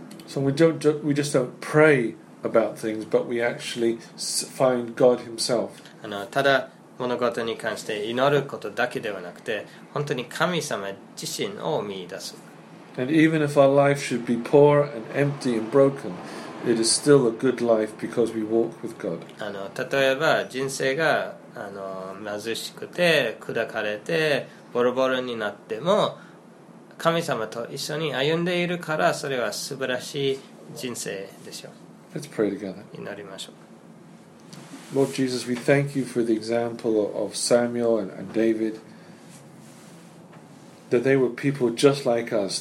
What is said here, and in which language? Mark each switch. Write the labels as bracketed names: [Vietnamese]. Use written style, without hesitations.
[English] So we just don't pray about things, but we actually find God Himself. [Japanese] ただ物事に関して祈ることだけではなくて、本当に神様自身を見出す。 [English] And even if our life should be poor and empty and broken, it is still a good life because we walk with God. [Japanese] 例えば人生が貧しくて砕かれてボロボロになっても、神様と一緒に歩んでいるから、それは素晴らしい人生でしょう。 [English] Let's pray together. [Japanese] 祈りましょう。 [English] Lord Jesus, we thank you for the example of Samuel and David, that they were people just like us.